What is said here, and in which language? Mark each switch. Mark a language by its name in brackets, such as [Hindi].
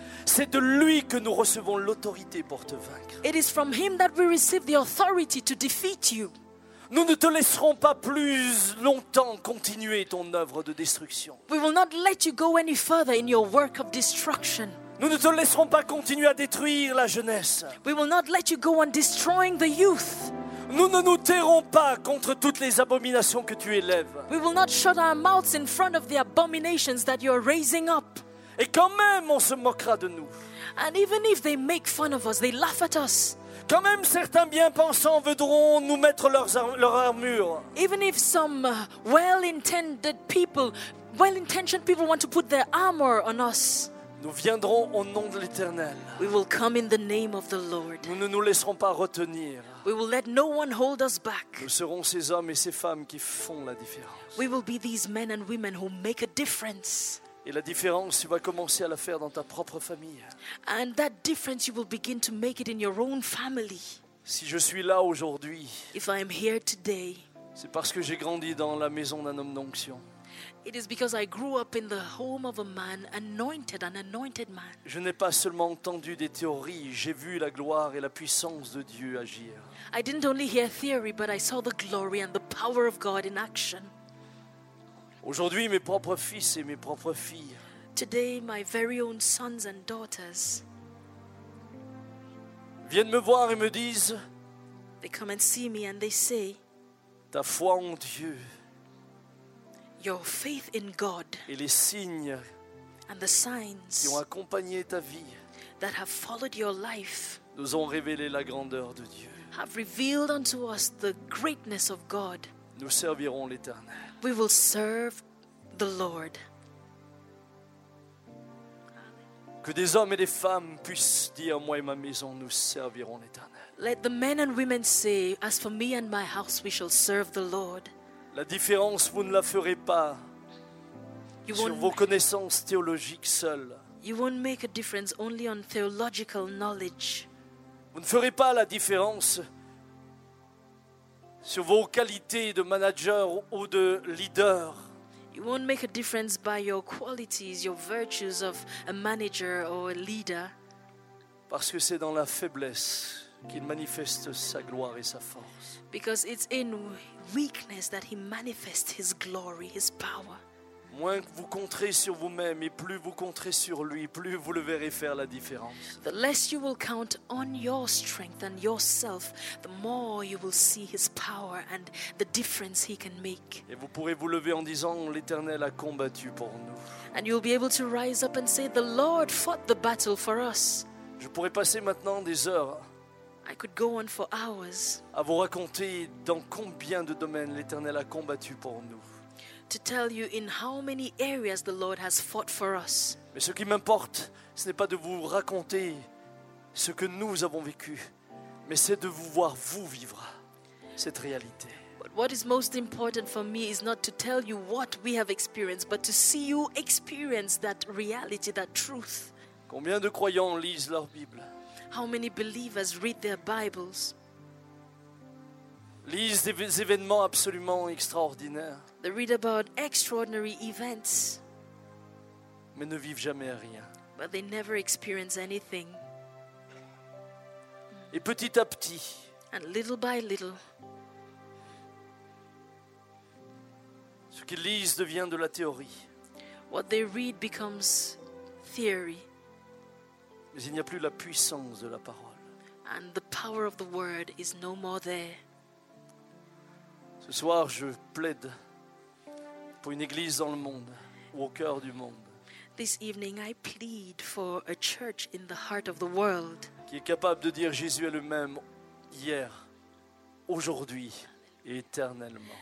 [French] C'est de lui que nous recevons l'autorité pour te vaincre. [English] It is from him that we receive the authority to defeat you. [French] Nous ne te laisserons pas plus longtemps continuer ton œuvre de destruction. [English] We will not let you go any further in your work of destruction. [French] Nous ne te laisserons pas continuer à détruire la jeunesse. [English] We will not let you go on destroying the youth. [French] Nous ne nous tairons pas contre toutes les abominations que tu élèves. [English] We will not shut our mouths in front of the abominations that you are raising up. [French] Et quand même on se moquera de nous. [English] And even if they make fun of us, they laugh at us. [French] Quand même certains bien-pensants voudront nous mettre leur armure. [English] Even if some well-intentioned people want to put their armor on us. [French] Nous viendrons au nom de l'Éternel. [English] We will come in the name of the Lord. [French] Nous ne nous laisserons pas retenir. [English] We will let no one hold us back. [French] Nous serons ces hommes et ces femmes qui font la différence. [English] We will be these men and women who make a difference. [French] Et la différence, tu vas commencer à la faire dans ta propre famille. [English] And that difference you will begin to make it in your own family. [French] Si je suis là aujourd'hui, [English] if I am here today, [French] c'est parce que j'ai grandi dans la maison d'un homme d'onction. [English] It is because I grew up in the home of a man, an anointed man. [French] Je n'ai pas seulement entendu des théories, j'ai vu la gloire et la puissance de Dieu agir. [English] I didn't only hear theory, but I saw the glory and the power of God in action. [French] Aujourd'hui, mes propres fils et mes propres filles. [English] Today, my very own sons and daughters. [French] Viennent me voir et me disent. [English] They come and see me and they say. [French] Ta foi en Dieu. [English] Your faith in God [French] et les signes [English] and the signs [French] qui ont accompagné ta vie [English] that have followed your life [French] nous ont révélé la grandeur de Dieu. [English] Have revealed unto us the greatness of God. [French] Nous servirons l'Éternel. [English] We will serve the Lord. [French] Que des hommes et des femmes puissent dire, moi et ma maison, nous servirons l'Éternel. [English] Let the men and women say, as for me and my house, we shall serve the Lord. [French] La différence, vous ne la ferez pas sur vos connaissances théologiques seules. [English] You won't make a difference only on theological knowledge. [French] Vous ne ferez pas la différence sur vos qualités de manager ou de leader. [English] You won't make a difference by your qualities, your virtues of a manager or a leader. [French] Parce que c'est dans la faiblesse qu'il manifeste sa gloire et sa force. [English] Because it's in weakness that he manifests his glory, his power. [French] Moins que vous compterez sur vous-même et plus vous compterez sur lui, plus vous le verrez faire la différence. [English] The less you will count on your strength and yourself, the more you will see his power and the difference he can make. [French] Et vous pourrez vous lever en disant, l'Éternel a combattu pour nous. [English] And you'll be able to rise up and say, the Lord fought the battle for us. [French] Je pourrais passer maintenant des heures. [English] I could go on for hours. [French] À vous raconter dans combien de domaines l'Éternel a combattu pour nous. [English] To tell you in how many areas the Lord has fought for us. [French] Mais ce qui m'importe, ce n'est pas de vous raconter ce que nous avons vécu, mais c'est de vous voir vous vivre cette réalité. [English] But what is most important for me is not to tell you what we have experienced, but to see you experience that reality, that truth. [French] Combien de croyants lisent leur Bible? [English] How many believers read their Bibles? [French] Lise des événements absolument extraordinaires. [English] They read about extraordinary events. [French] Mais ne vivent jamais rien. [English] But they never experience anything. [French] Et petit à petit. [English] And little by little. [French] Ce qu'ils lisent devient de la théorie. [English] What they read becomes theory. [French] Mais il n'y a plus la puissance de la parole. [English] And the power of the word is no more there. [French] Ce soir, je plaide pour une église dans le monde ou au cœur du monde. [English] This evening, I plead for a church in the heart of the world. [French] Qui est capable de dire Jésus est le même hier, aujourd'hui et éternellement.